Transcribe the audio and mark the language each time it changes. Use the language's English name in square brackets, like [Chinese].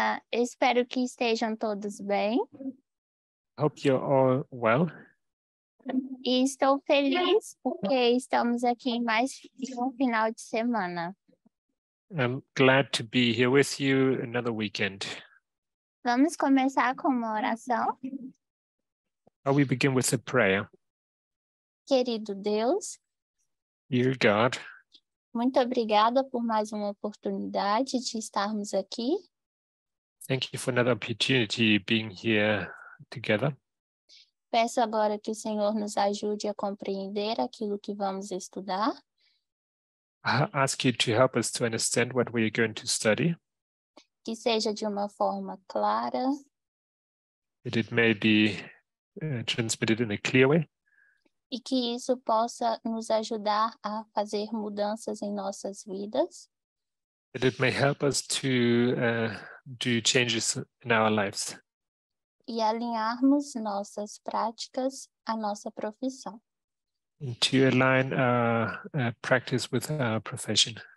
[Portuguese] Espero que estejam todos bem. [English] Hope you're all well. [Portuguese] E estou feliz porque estamos aqui em mais um final de semana. [English] I'm glad to be here with you another weekend. [Portuguese] Vamos começar com uma oração. [English] Shall we begin with a prayer? [Portuguese] Querido Deus, [English] Dear God, [Portuguese] muito obrigada por mais uma oportunidade de estarmos aqui. [English] Thank you for another opportunity being here together. [Portuguese] Peço agora que o Senhor nos ajude a compreender aquilo que vamos estudar. [English] I ask you to help us to understand what we are going to study. [Portuguese] Que seja de uma forma clara. [English] That it may be transmitted in a clear way. [Portuguese] E que isso possa nos ajudar a fazer mudanças em nossas vidas. [English] That it may help us to do changes in our lives. [Portuguese] E alinharmos nossas práticas à nossa profissão. [English] And to align our practice with our profession.